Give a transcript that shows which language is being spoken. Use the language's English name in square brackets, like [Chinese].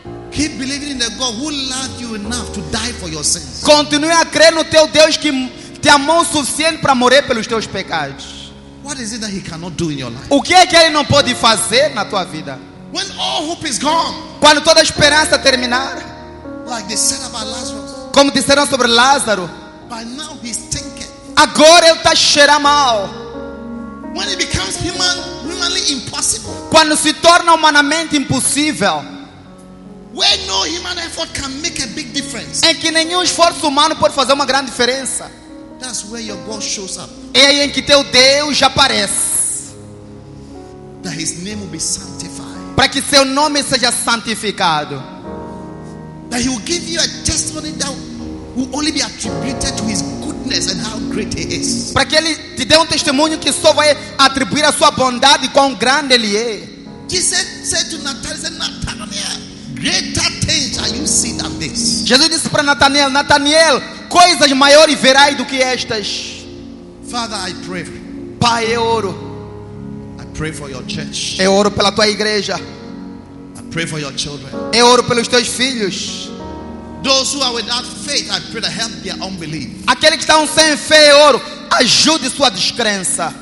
[English] Keep believing in the God who loved you enough to die for your sins. [Portuguese] Continue a crer no teu Deus que te amou o suficiente para morrer pelos teus pecados. [English] What is it that he cannot do in your life? [Portuguese] O que é que ele não pode fazer na tua vida? [English] When all hope is gone. [Portuguese] Quando toda a esperança terminar, [English] like they said about Lazarus, [Portuguese] como disseram sobre Lázaro, [English] by now he's thinking, [Portuguese] agora ele está cheirando mal. [English] When it becomes humanly impossible, [Portuguese] quando se torna humanamente impossível, [English] where no human effort can make a big difference, [Portuguese] em que nenhum esforço humano pode fazer uma grande diferença, [English] that's where your God shows up. [Portuguese] É aí em que teu Deus aparece. [English] That his name will be sanctified. [Portuguese] Para que seu nome seja santificado. [English] That he will give you a testimony that will only be attributed to his goodness and how great he is. [Portuguese] Para que ele te dê testemunho que só vai atribuir a sua bondade e quão grande ele é. [English] Jesus said to Nathanael, greater things are you seen than this. [Portuguese] Jesus disse para Nathanael, Nathanael, coisas maiores verás do que estas. [English] Father, I pray. [Portuguese] Pai, eu oro. [English] I pray for your church. [Portuguese] Eu oro pela tua igreja. [English] I pray for your children. [Portuguese] Eu oro pelos teus filhos. [English] Those who are without faith, I pray to help their unbelief. [Portuguese] Aqueles que estão sem fé, eu oro, ajude sua descrença.